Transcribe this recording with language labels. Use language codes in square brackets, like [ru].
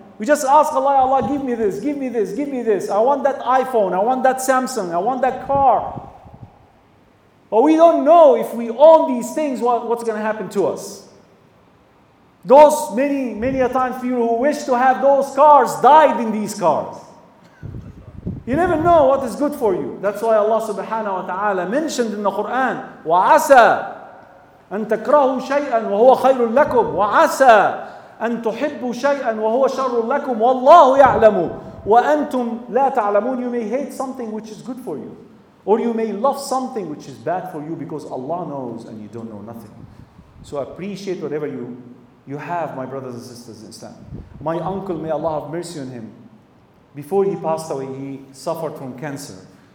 [en] We just ask Allah, Allah, give me this, give me this, give me this. I want that iPhone, I want that Samsung, I want that car. But we don't know if we own these things, what's going to happen to us. Those many, many a times people who wish to have those cars died in these cars. You never know what is good for you. That's why Allah subhanahu wa ta'ala mentioned in the Quran, [ar] وَعَسَى أَن تَكْرَهُوا شَيْئًا وَهُوَ خَيْرٌ لَكُمْ وَعَسَى أَن تُحِبُّوا شَيْئًا وَهُوَ شَرٌ لَكُمْ وَاللَّهُ يَعْلَمُ وَأَنْتُمْ لَا تَعْلَمُونَ. [en] You may hate something which is good for you, or you may love something which is bad for you, because Allah knows and you don't know nothing. So appreciate whatever you have, my brothers and sisters in Islam. My uncle, may Allah have mercy on him, before he passed away, he suffered from cancer.